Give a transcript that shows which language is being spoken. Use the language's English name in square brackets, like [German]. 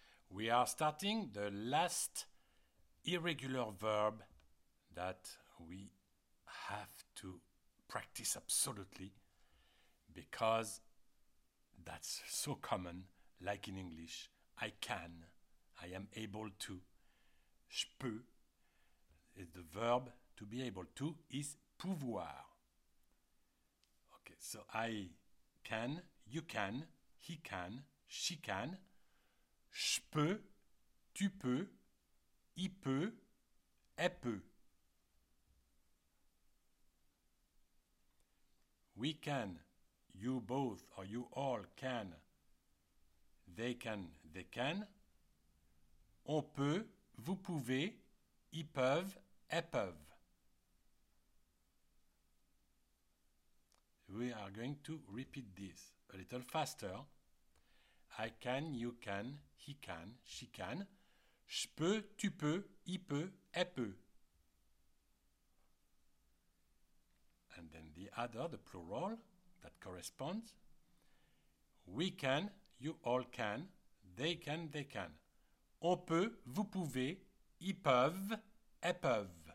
[English] We are starting the last irregular verb that we have to practice absolutely because that's so common, like in English. I can, I am able to. [French] Je peux, [English] the verb to be able to is pouvoir. Okay, so I can, you can, he can, she can. [French] Je peux, tu peux, il peut, elle peut. [English] We can, you both or you all can. They can, they can. [French] On peut, vous pouvez, ils peuvent, elles peuvent. [English] We are going to repeat this a little faster. I can, you can, he can, she can. [French] Je peux, tu peux, il peut, elle peut. [English] And then the other, the plural, that corresponds. We can, you all can, they can, they can. [French] On peut, vous pouvez, ils peuvent, elles peuvent.